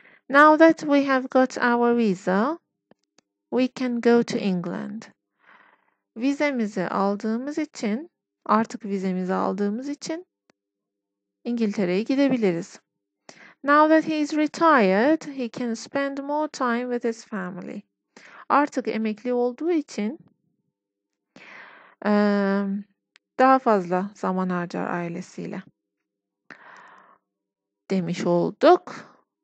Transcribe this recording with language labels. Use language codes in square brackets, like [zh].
[en] Now that we have got our visa, we can go to England. [tr] Vizemizi aldığımız için, artık vizemizi aldığımız için İngiltere'ye gidebiliriz. [en] Now that he is retired, he can spend more time with his family. [tr] Artık emekli olduğu için daha fazla zaman harcar ailesiyle demiş olduk.